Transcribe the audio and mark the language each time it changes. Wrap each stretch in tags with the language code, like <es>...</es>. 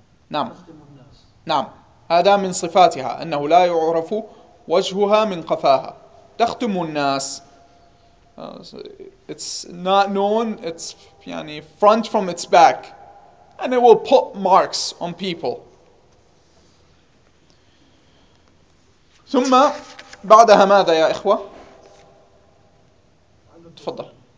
<ar>نعم نعم، هذا من صفاتها أنه لا يعرف وجهها من قفاها. تختم الناس.</ar> <en>It's not known. It's</en> <ar>يعني</ar> <en>front from its back, and it will put marks on people.</en> <ar>ثم بعدها ماذا يا إخوة؟ تفضل.</ar>